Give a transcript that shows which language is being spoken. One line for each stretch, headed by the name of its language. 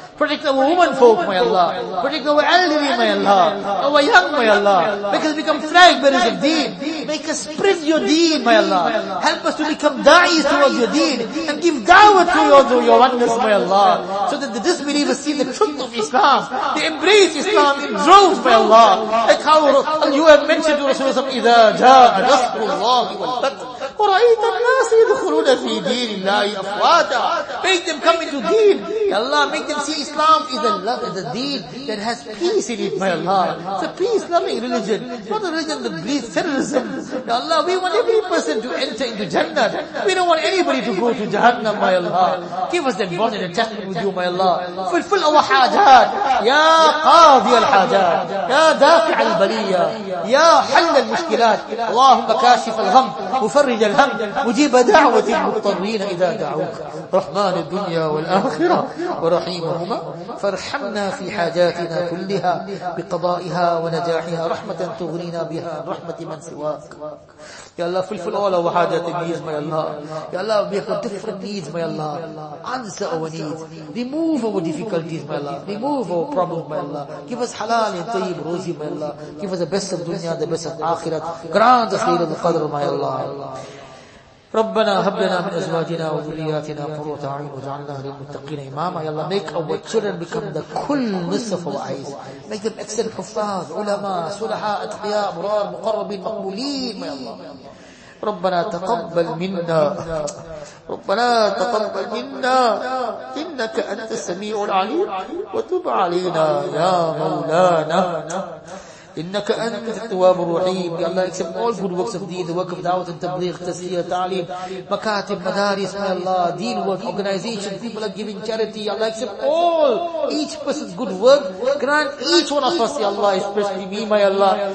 English: Protect our woman folk, my Allah. Protect our elderly, my Allah. Our young, my Allah. Make us become flag bearers of deen. Make us spread your deen, my Allah. Help us to become da'is towards your deen. And give da'wah to your oneness, my Allah. So that the disbelievers see the truth of Islam. They embrace Islam in droves, my Allah. Like how you have mentioned to Rasulullah,
Arabic: إِذَا جَاءَ نَصْرُ اللَّهِ وَالْفَتْحُ وَرَأَيْتَ النَّاسَ يَدْخُلُونَ فِي دِينِ اللَّهِ أَفْوَاجًا.
English: Make them come into deen. Ya Allah, make them see Islam is a love, is a deed that has peace in it, my Allah. It's a peace-loving religion. Not a religion that breeds terrorism. Ya Allah, we want every person to enter into Jannah. We don't want anybody to go to Jahannam, my Allah. Give us that bonded attachment with you, my Allah. Fulfill our hajat.
Arabic: Ya qadi al-hajat. Ya dafi' al-baliyya. Ya hal al-mushkilat. Allahumma kashif al-gham. Mufarrij al-ham. Mujib da'wati al-muttarreen idha da'uk. Rahman al-dunya wal-akhirah. Wa rahim. فارحمنا في حاجاتنا كلها بقضائها ونجاحها رحمة تغنينا بها رحمة من سواك.
English: Ya Allah, fulfill all our hajat and needs, my Allah. Ya Allah, we have different needs, my Allah. Answer our needs. Remove our difficulties, my Allah. Remove our problems, my Allah. Give us halal and tayyib rozi, my Allah. Give us the best of dunya, the best of akhirat. Grant us Laylatul Qadr, my Allah.
Arabic: ربنا هب لنا من ازواجنا وذرياتنا قرة اعين واجعلنا للمتقين اماما.
English: يا الله, make our children become the coolness of our eyes. Make them excellent
Arabic: حفاظ, علماء, صلحاء, اتقياء, برار, مقربين, مقبولين. يا الله, ربنا تقبل منا, ربنا تقبل منا, انك انت السميع العليم, وتب علينا يا مولانا, إنك أنت التواب الرحيم.
English: يا الله, accept all good works of deen, the work of da'wah and tabligh, tasheer, ta'lim, makatib, madaris, my Allah, deen work, organization, people are giving charity. Ya Allah, accept all, each person's good work. Grant each one of us, ya Allah, especially me, my Allah.